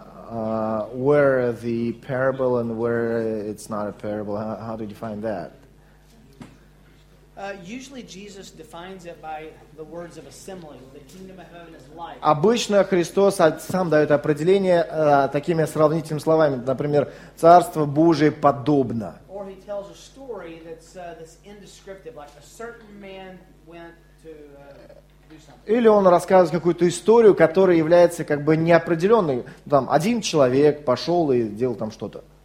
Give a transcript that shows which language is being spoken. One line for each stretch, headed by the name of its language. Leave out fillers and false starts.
English: where the parable and where it's not a parable? How do you define that? Usually Jesus defines it by the words of a simile. The kingdom of heaven is like.
Russian: Обычно Христос сам дает определение такими сравнительными словами. Например, Царство Божие подобно.
English: Or he tells a story that's this indescriptive, like a certain man went to
Russian: Или он рассказывает какую-то историю, которая является как бы неопределенной. Там один человек пошел и делал там что-то.